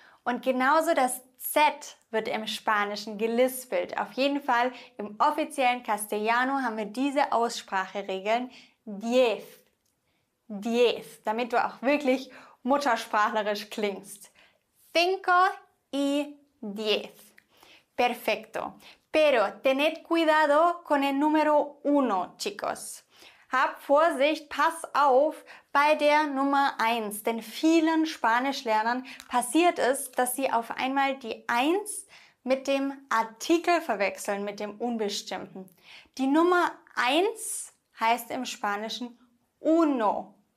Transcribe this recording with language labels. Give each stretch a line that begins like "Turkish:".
German: Und genauso das Z wird im Spanischen gelispelt. Auf jeden Fall im offiziellen Castellano haben wir diese Ausspracheregeln. 10. 10, damit du auch wirklich muttersprachlerisch klingst.
Spanish: 5 y 10. Perfecto. Pero tened cuidado con el número 1, chicos.
German: Hab Vorsicht, pass auf bei der Nummer 1. Denn vielen Spanischlernern passiert es, dass sie auf einmal die 1 mit dem Artikel verwechseln, mit dem Unbestimmten. Die Nummer 1 heißt im Spanischen uno.